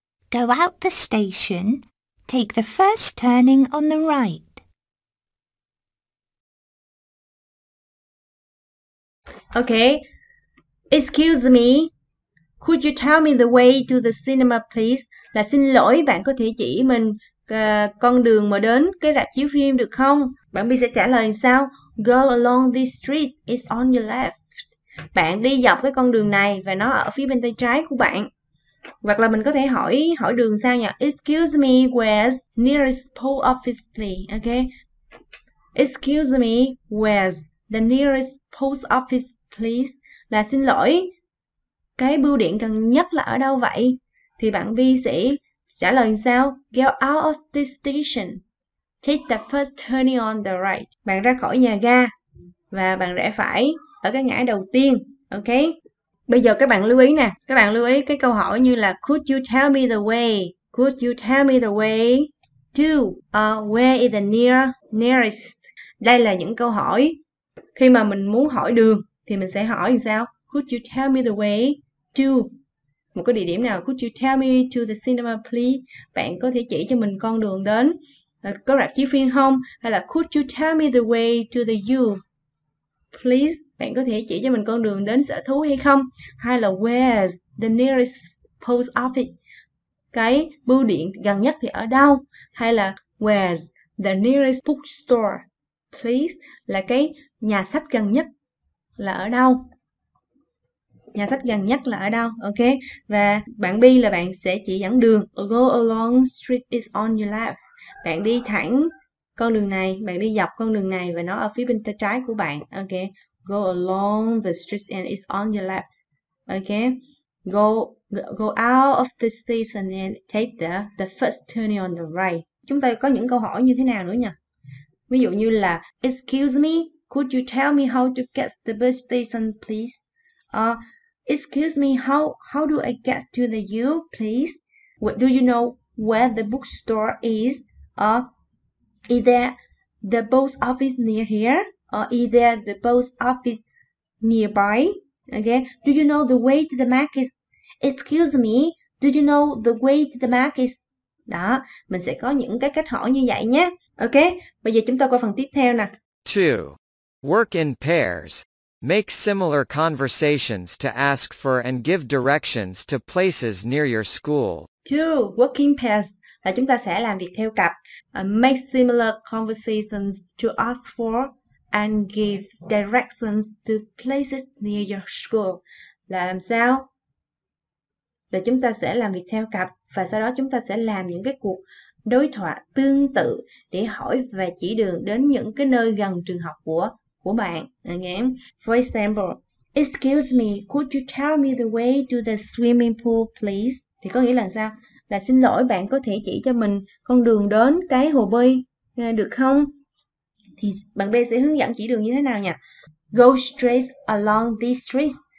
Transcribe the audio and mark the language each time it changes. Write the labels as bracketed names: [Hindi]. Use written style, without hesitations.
[English] Go out the station. Take the first turning on the right. Okay. Excuse me, could you tell me the way to the cinema, please? [Vietnamese] Là xin lỗi, bạn có thể chỉ mình con đường mà đến cái rạp chiếu phim được không? Bạn Bi sẽ trả lời sao? [English] Go along this street, it's on your left. [Vietnamese] Bạn đi dọc cái con đường này và nó ở phía bên tay trái của bạn. Hoặc là mình có thể hỏi đường sao nhỉ? [English] Excuse me, where's nearest post office, please? Okay. Excuse me, where's the nearest post office, please? [Vietnamese] Là xin lỗi, cái bưu điện gần nhất là ở đâu vậy? Thì bạn Vi sẽ trả lời sao? [English] Get out of this station. Take the first turning on the right. [Vietnamese] Bạn ra khỏi nhà ga và bạn rẽ phải ở cái ngã đầu tiên, ok? Bây giờ các bạn lưu ý nè, các bạn lưu ý cái câu hỏi như là [English] Could you tell me the way? Could you tell me the way to? Where is the nearest? [Vietnamese] Đây là những câu hỏi khi mà mình muốn hỏi đường thì mình sẽ hỏi như sao? [English] Could you tell me the way to? [Vietnamese] Một cái địa điểm nào? [English] Could you tell me to the cinema, please? [Vietnamese] Bạn có thể chỉ cho mình con đường đến có rạp chiếu phim không? [English] Hay là Could you tell me the way to the zoo, please? [Vietnamese] Bạn có thể chỉ cho mình con đường đến sở thú hay không? Hay là [English] where's the nearest post office? [Vietnamese] Cái bưu điện gần nhất thì ở đâu? Hay là [English] where's the nearest bookstore, please? [Vietnamese] Là cái nhà sách gần nhất là ở đâu? Nhà sách gần nhất là ở đâu? Ok. Và bạn B là bạn sẽ chỉ dẫn đường. [English] Go along street is on your left. [Vietnamese] Bạn đi thẳng con đường này, bạn đi dọc con đường này và nó ở phía bên tay trái của bạn. [English] Ok. Go along the street and it's on your left. Okay. Go out of the station and take the first turning on the right. [Vietnamese] Chúng ta có những câu hỏi như thế nào nữa nhỉ? Ví dụ như là [English] Excuse me, could you tell me how to get to the bus station, please? Excuse me, how do I get to the U, please? Do you know where the bookstore is? Is there the post office near here? Or is there the post office nearby? Okay. Do you know the way to the market? Excuse me, do you know the way to the market? [Vietnamese] Đó, mình sẽ có những cái cách hỏi như vậy nhé. Okay. Bây giờ chúng ta qua phần tiếp theo nè. [English] 2. Work in pairs. Make similar conversations to ask for and give directions to places near your school. 2. Work in pairs. [Vietnamese] Là chúng ta sẽ làm việc theo cặp. [English] Make similar conversations to ask for and give directions to places near your school. [Vietnamese] Là làm sao? Là chúng ta sẽ làm việc theo cặp và sau đó chúng ta sẽ làm những cái cuộc đối thoại tương tự để hỏi và chỉ đường đến những cái nơi gần trường học của bạn. [English] Okay. For example, excuse me, could you tell me the way to the swimming pool, please? [Vietnamese] Thì có nghĩa là sao? Là xin lỗi, bạn có thể chỉ cho mình con đường đến cái hồ bơi được không? Thì bạn B sẽ hướng dẫn chỉ đường như thế nào nhỉ? [English] Go straight along this street.